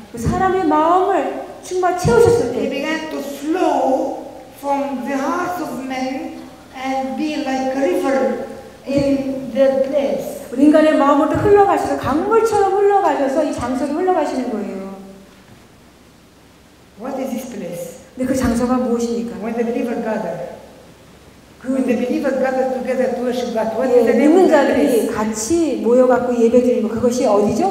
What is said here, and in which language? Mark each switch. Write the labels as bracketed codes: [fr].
[ko] 그 사람의 마음을 충만 채우셨을 때, [en] he began to flow from the heart of man and be like a river in the place. [ko] 우리 인간의 마음으로 흘러가셔서 강물처럼 흘러가셔서 이 장소로 흘러가시는 거예요. [en] What is this place? [ko] 근데 그 장소가 무엇입니까? [en] When the believer gathered. When the believers gather together to worship God, what is the name? [ko] 믿는자들이 같이 모여갖고 예배드리고 그것이 어디죠?